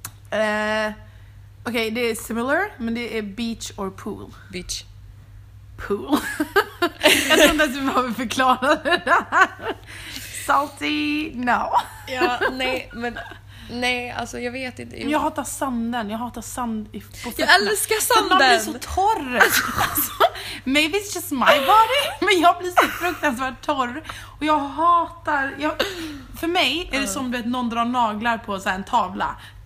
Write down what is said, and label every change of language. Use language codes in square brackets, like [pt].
[sv] Okej, okay, det är similar, men det är [en] beach or pool. Beach. Pool. [sv] Jag tror inte att vi behöver förklara det här. [en] Salty, no. [sv] Ja, nej, men... Nej, alltså jag vet inte. Jag hatar sanden, jag hatar sand på fötterna. Jag älskar sanden. Man blir så torr. [en] Alltså, maybe it's just my body. [sv] Men jag blir så fruktansvärt torr. Och jag hatar jag, för mig är det som att någon drar naglar på så här, en tavla.